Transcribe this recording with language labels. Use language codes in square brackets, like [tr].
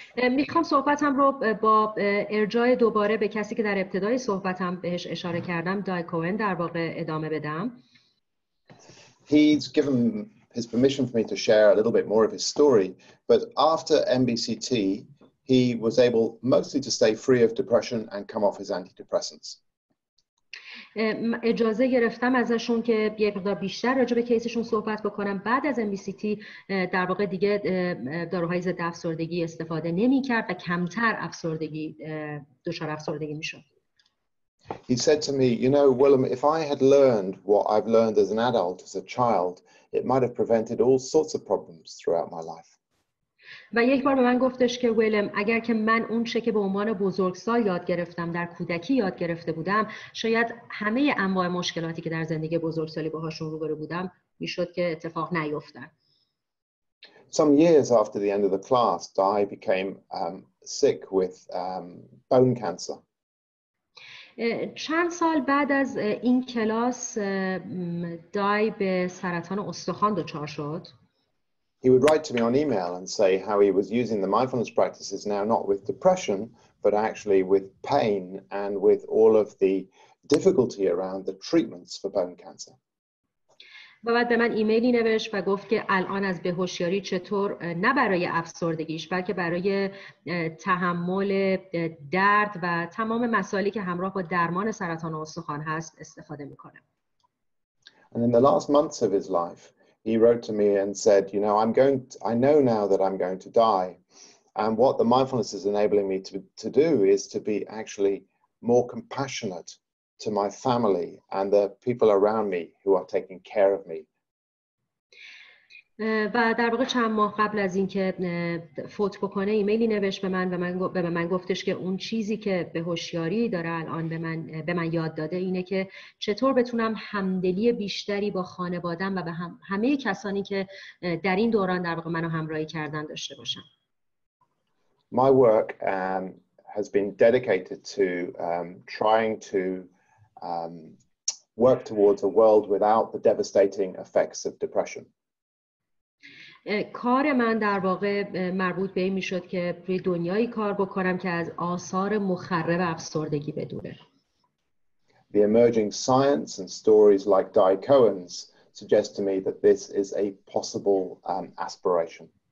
[fa] میخوام صحبتم رو با ارجای دوباره به کسی که در ابتدای صحبتم بهش اشاره کردم، دای کوهن، در واقع ادامه بدم. [en] He's given his permission for me to share a little bit more of his story, but after MBCT, he was able mostly to stay free of depression and come off his antidepressants. [fa] اجازه گرفتم ازشون که یک مقدار بیشتر راجع به کیسشون صحبت بکنم. بعد از MBCT در واقع دیگه داروهای ضد افسردگی استفاده نمی کرد و کمتر افسردگی دچار افسردگی می شد. [en] He said to me, you know, Willem, if I had learned what I've learned as an adult, as a child, it might have prevented all sorts of problems throughout my life. [fa] و یک بار به من گفتش که ویلم اگر که من اون چه که به عنوان بزرگسال یاد گرفتم در کودکی یاد گرفته بودم، شاید همه انواع مشکلاتی که در زندگی بزرگسالی باهاشون روبرو بودم میشد که اتفاق نیفتن. [en] Some years after the end of the class, Di became sick with bone cancer. [fa] چند سال بعد از این کلاس دای به سرطان استخوان دچار شد. [en] He would write to me on email and say how he was using the mindfulness practices now not with depression, but actually with pain and with all of the difficulty around the treatments for bone cancer. [fa] بعد به من ایمیلی نوشت و گفت که الان از بهوشیاری چطور نه برای افسردگیش بلکه برای تحمل درد و تمام مسائلی که همراه با درمان سرطان استخوان هست استفاده میکنه. [en] And in the last months of his life, he wrote to me and said, you know, I know now that I'm going to die. And what the mindfulness is enabling me to do is to be actually more compassionate to my family and the people around me who are taking care of me. [fa] و در واقع چند ماه قبل از اینکه فوت بکنه ایمیلی نوشت به من و من به من گفتش که اون چیزی که به هوشیاری داره الان به من یاد داده اینه که چطور بتونم همدلی بیشتری با خانواده‌ام و به همه کسانی که در این دوران در واقع منو همراهی کردن داشته باشم. [en] My work has been dedicated to trying to work towards a world without the devastating effects of depression. [fa] کار من در واقع مربوط به این میشد که روی دنیایی کار بکنم که از آثار مخرب افسردگی بدوره. [en] The emerging science and stories like Di Cohen's suggest to me that this is a possible aspiration.